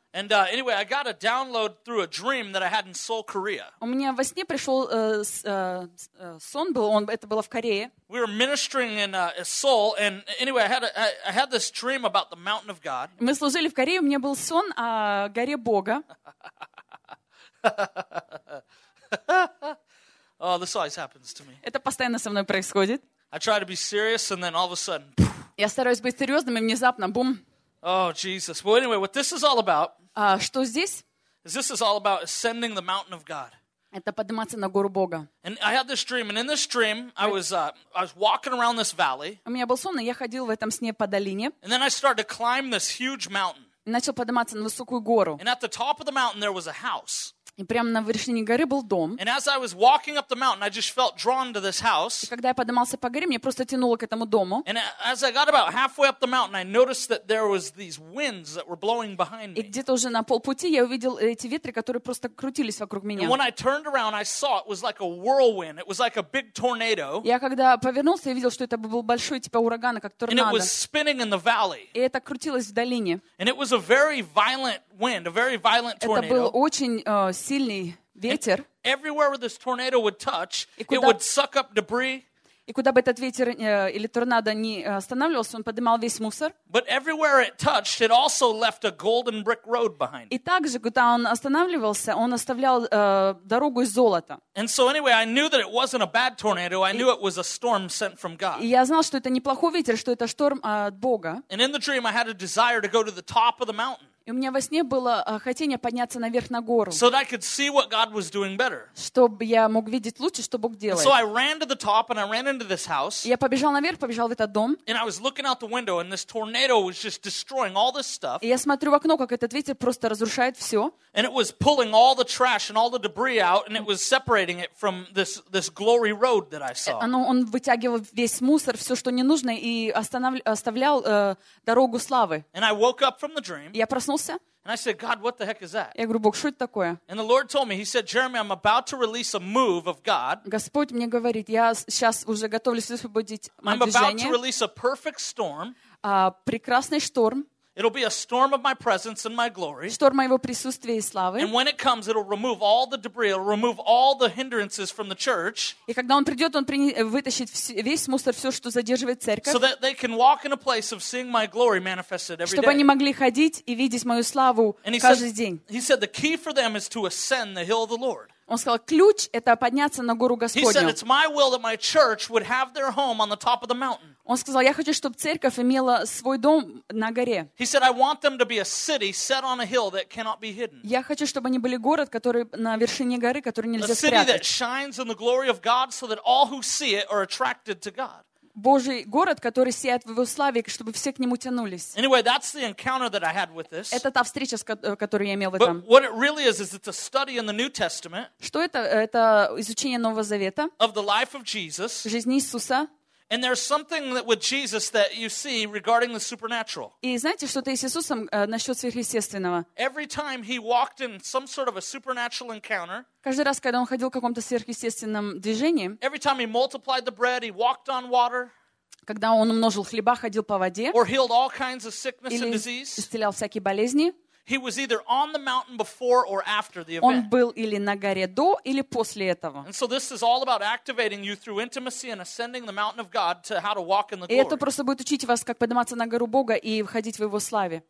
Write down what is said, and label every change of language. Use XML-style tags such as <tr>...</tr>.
<en>And anyway, I got a download through a dream that I had in Seoul, Korea.</en> <ru>У меня во сне пришел сон был, он это было в Корее.</ru> <en>We were ministering in Seoul, and anyway, I had this dream about the mountain of God.</en> <ru>Мы служили в Корее, у меня был сон о горе Бога.</ru> <en>Oh, this always happens to me.</en> <ru>Это постоянно со мной происходит.</ru> <en>I try to be serious, and then all of a sudden.</en> <ru>Я стараюсь быть серьезным, и внезапно бум.</ru> <en>Oh, Jesus. Well, anyway, what this is all about?</en> <ru>Что здесь?</ru> <en>Is this is all about ascending the mountain of God.</en> <ru>Это подниматься на гору Бога.</ru> <en>And I had this dream, and in this dream, I was walking around this valley.</en> <ru>У меня был сон, и я ходил в этом сне по долине.</ru> <en>And then I started to climb this huge mountain.</en> <ru>Начал подниматься на высокую гору.</ru> <en>And at the top of the mountain there was a house.</en> <ru>И прямо на вершине горы был дом.</ru> <en>And as I was walking up the mountain, I just felt drawn to this house.</en> <ru>И когда я поднимался по горе, меня просто тянуло к этому дому.</ru> <en>And as I got about halfway up the mountain, I noticed that there was these winds that were blowing behind me.</en> <ru>И где-то уже на полпути я увидел эти ветры, которые просто крутились вокруг меня.</ru> <en>And when I turned around, I saw it was like a whirlwind. It was like a big tornado.</en> <ru>Я когда повернулся, я видел, что это был большой типа урагана, как торнадо.</ru> <en>And it was spinning in the valley.</en> <ru>И это крутилось в долине.</ru> <en>And it was a very violent wind, a very violent tornado.</en> <ru>Это был очень сильный ветер.</ru> <en>And everywhere where this tornado would touch, it would suck up debris.</en> <ru>И куда бы этот ветер или торнадо ни останавливался, он поднимал весь мусор.</ru> <en>But everywhere it touched, it also left a golden brick road behind.</en> <ru>И также, куда он останавливался, он оставлял дорогу из золота.</ru> <en>And so anyway, I knew that it wasn't a bad tornado. I knew it was a storm sent from God.</en> <ru>И я знал, что это неплохой ветер, что это шторм от Бога.</ru> <en>And in the dream, I had a desire to go to the top of the mountain.</en> <ru>И у меня во сне было хотение подняться наверх на гору.</ru> <en>So that I could see what God was doing better.</en> <ru>Чтобы я мог видеть лучше, что Бог делает.</ru> <en>So I ran to the top and I ran into this house.</en> <ru>Я побежал наверх, побежал в этот дом.</ru> <en>And I was looking out the window and this tornado was just destroying all this stuff.</en> <ru>И я смотрю в окно, как этот ветер просто разрушает все.</ru> <en>And it was pulling all the trash and all the debris out and it was separating it from this glory road that I saw.</en> <ru>Он вытягивал весь мусор, все, что не нужно, и оставлял дорогу славы.</ru> <en>And I woke up from the dream.</en> <ru>Я проснулся.</ru> <en>And I said, God, what the heck is that?</en> <ru>Я говорю, Бог, что это такое?</ru> <en>And the Lord told me, He said, Jeremy, I'm about to release a move of God.</en> <ru>Господь мне говорит, я сейчас уже готовлюсь освободить движение.</ru> <en>I'm about to release a perfect storm.</en> <ru>Прекрасный шторм.</ru> <en>It'll be a storm of my presence and my glory.</en> <ru>Шторм моего присутствия и славы.</ru> <en>And when it comes, it'll remove all the debris, it'll remove all the hindrances from the church.</en> <ru>И когда он придет, он вытащит весь мусор, все, что задерживает церковь.</ru> <en>So that they can walk in a place of seeing my glory manifested every day.</en> <ru>Чтобы они могли ходить и видеть мою славу каждый день.</ru> <en>He said the key for them is to ascend the hill of the Lord.</en> <ru>Он сказал, ключ — это подняться на гору Господню. Он сказал, я хочу, чтобы церковь имела свой дом на горе. Я хочу, чтобы они были город, который на вершине горы, который нельзя спрятать.</ru> <en>A city that shines in the glory of God, so that all who see it are attracted to God.</en> <ru>Божий город, который сияет в его славе, чтобы все к нему тянулись.</ru> <en>Anyway, that's the encounter that I had with this.</en> <ru>Это та встреча, которую я имел в этом.</ru> <en>But what it really is it's a study in the New Testament.</en> <ru>Что это? Это изучение Нового Завета.</ru> <en>Of the life of Jesus.</en> <ru>Жизни Иисуса.</ru> <en>And there's something that with Jesus that you see regarding the supernatural.</en> <ru>И знаете, что-то с Иисусом насчёт сверхъестественного.</ru> <en>Every time he walked in some sort of a supernatural encounter.</en> <ru>Каждый раз, когда он ходил в каком-то сверхъестественном движении.</ru> <en>Every time he multiplied the bread, he walked on water.</en> <ru>Когда он умножил хлеба, ходил по воде.</ru> <en>Or healed all kinds of sickness and disease.</en> <ru>Или исцелял всякие болезни.</ru> <en>He was either on the mountain before or after the event.</en> <ru>Он был или на горе до, или после этого.</ru> <en>And so this is all about activating you through intimacy and ascending the mountain of God to how to walk in the glory.</en> <ru>И это просто будет учить вас, как подниматься на гору Бога и входить в его славе.</ru>